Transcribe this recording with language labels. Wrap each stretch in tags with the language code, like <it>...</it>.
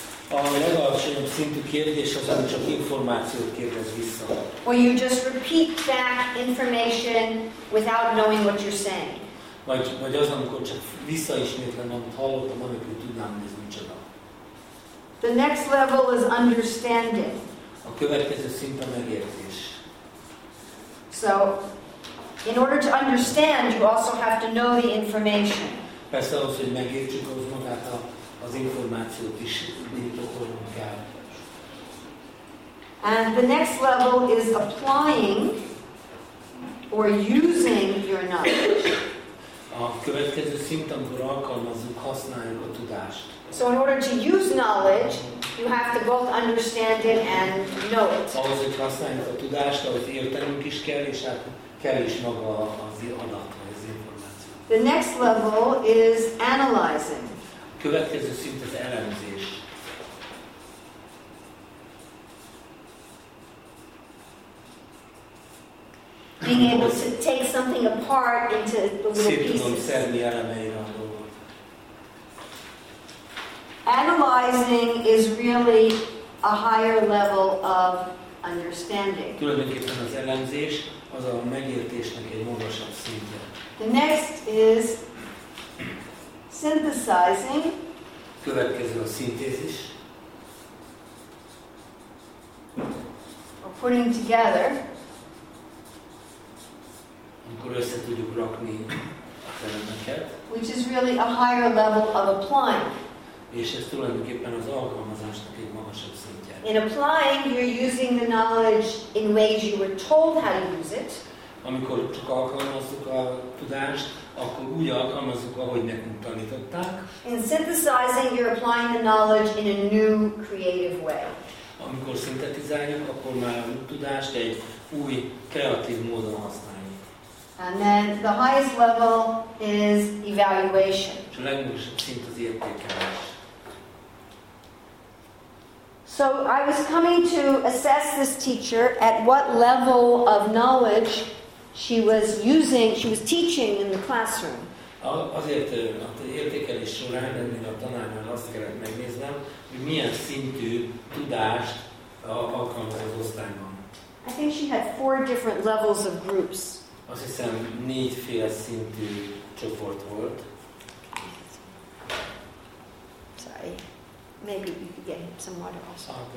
<hu>A legalacsonyabb szintű kérdés az, ami csak információt kérdez vissza.</hu> <en>Or you just repeat back information without knowing what you're saying.</en> <hu>Vagy az, amikor csak visszaismétlen, amit hallottam, amikor tudnám, hogy ez micsoda.</hu> <en>The next level is understanding.</en> <hu>A következő szint a megértés.</hu> <en>So, in order to understand, you also have to know the information.</en> <hu>Persze ahhoz, hogy megértsük az magát az információt is birtokolunk el.</hu> <en>And the next level is applying or using your knowledge.</en> <hu>A következő szint, amikor alkalmazunk, használjuk a tudást.</hu> <en>So in order to use knowledge, you have to both understand it and know it.</en> <hu>Ahhoz, hogy használjuk a tudást, ahhoz értenünk is kell, és hát kell is maga az adat, az információ.</hu> <en>The next level is analyzing.</en> <hu>Következő szint az elemzés.</hu> <en>Being able to take something apart into little pieces.</en> <hu>Szét tudom szedni elemeire a dolgot.</hu> <en>Analyzing is really a higher level of understanding.</en> <hu>Tulajdonképpen az elemzés az a megértésnek egy magasabb szintje.</hu> <en>The next is synthesizing.</en> <hu>Következő a szintézis.</hu> <en>Or putting together.</en> <hu>Amikor össze tudjuk rakni a felemeket.</hu> <en>Which is really a higher level of applying.</en> <hu>És ez tulajdonképpen az alkalmazásnak egy magasabb szintje.</hu> <en>In applying, you're using the knowledge in ways you were told how to use it.</en> <hu>Amikor csak alkalmazzuk a tudást, akkor úgy alkalmazzuk, ahogy nekünk tanították.</hu> <en>In synthesizing, you're applying the knowledge in a new, creative way.</en> <hu>Amikor szintetizáljuk, akkor már a tudást egy új, kreatív módon használjuk.</hu> <en>And then the highest level is evaluation.</en> <hu>És a legmagasabb szint az értékelés.</hu> <en>So I was coming to assess this teacher at what level of knowledge she was using, she was teaching in the classroom.</en> <hu>Azért az értékelés során ennél a tanárnál azt kellett megnéznem, hogy milyen szintű tudást alkalmaz az osztályban.</hu> <en>I think she had four different levels of groups.</en> <hu>Azt hiszem négyféle szintű csoport volt.</hu> <en>Sorry. Maybe you could get him some water also.</en>